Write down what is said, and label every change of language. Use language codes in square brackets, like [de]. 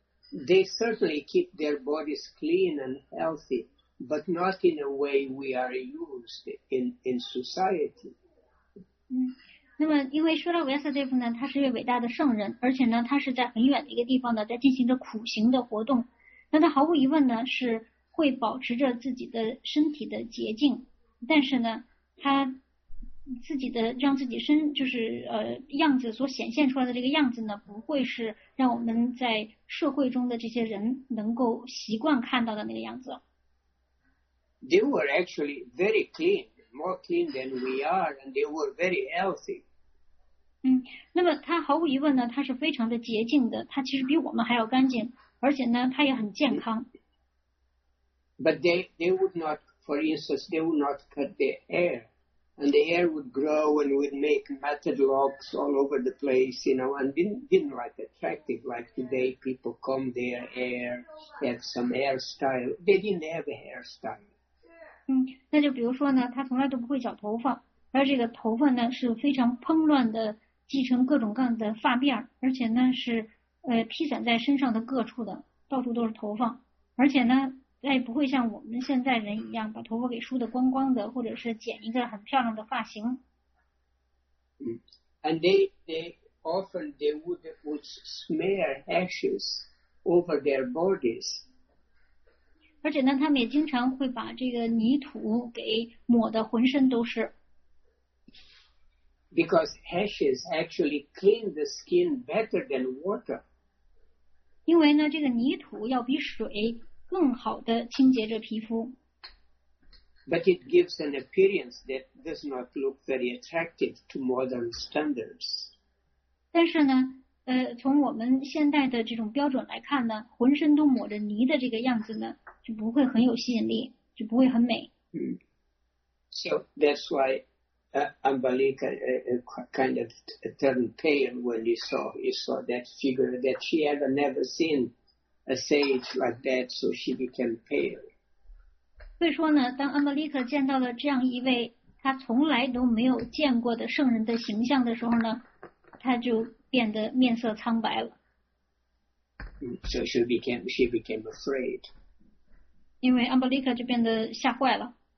[en] They certainly keep their bodies clean and healthy, but not in a way we are used in society. [zh] 那么因为说到维亚萨德夫呢，他是一位伟大的圣人，而且呢他是在很远的一个地方呢在进行着苦行的活动，那他毫无疑问呢是会保持着自己的身体的洁净，但是呢他自己的让自己身就是样子所显现出来的这个样子呢，不会是让我们在社会中的这些人能够习惯看到的那个样子。 [en] They were actually very clean, more clean than we are, and they were very healthy. [zh] 那么他毫无疑问呢，他是非常的洁净的，他其实比我们还要干净，而且呢，他也很健康。 [en] But they would not, for instance, they would not cut their hair. And the hair would grow and would make matted locks all over the place, you know, and didn't like attractive like today. People comb their hair, have some hairstyle. They didn't have a hairstyle. [zh] 那就比如说呢，他从来都不会绞头发，而这个头发呢是非常蓬乱的，系成各种各样的发辫，而且呢是披散在身上的各处的，到处都是头发，而且呢。他也不会像我们现在人一样把头发给梳得光光的，或者是剪一个很漂亮的发型。 [en] And they often would smear ashes over their bodies. [zh] 而且呢，他们也经常会把这个泥土给抹得浑身都是。 [en] Because ashes actually clean the skin better than water. [zh] 因为呢，这个泥土要比水更好的清洁着皮肤。 [en] But it gives an appearance that does not look very attractive to modern standards. [zh] 但是呢，从我们现代的这种标准来看呢，浑身都抹着泥的这个样子呢，就不会很有吸引力，就不会很美。 [en] So that's why Ambalika kind of turned pale when he saw that figure that she had never seen. A sage like that, so she became pale. [zh] 所以说呢，当阿玛利克见到了这样一位他从来都没有见过的圣人的形象的时候呢，他就变得面色苍白了。 [en] So she became afraid. [zh] 因为阿玛利克就变得吓坏了。